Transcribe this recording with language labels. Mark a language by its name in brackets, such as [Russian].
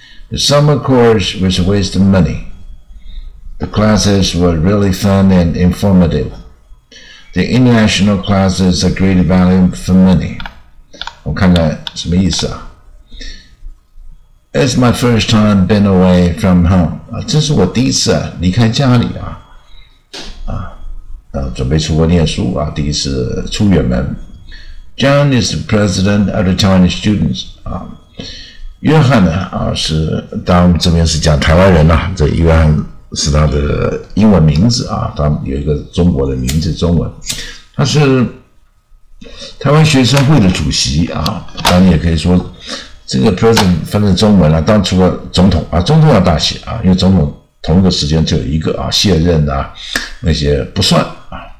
[English] The summer course was a waste of money. The classes were really fun and informative. The international classes are great value for money. [Chinese] 我看看什么意思啊。 [English] It's my first time been away from home. [Chinese] 啊，这是我第一次啊，离开家里啊。准备出国念书啊，第一次出远门。 [English] John is the president of the Taiwanese students. [Chinese] 啊，约翰呢啊是，当然这边是讲台湾人啊，这约翰。是他的英文名字啊，他有一个中国的名字，中文。他是台湾学生会的主席啊，当然也可以说这个 president 翻成中文啊，当初的总统啊，总统要大写啊，因为总统同一个时间只有一个啊，卸任啊那些不算啊。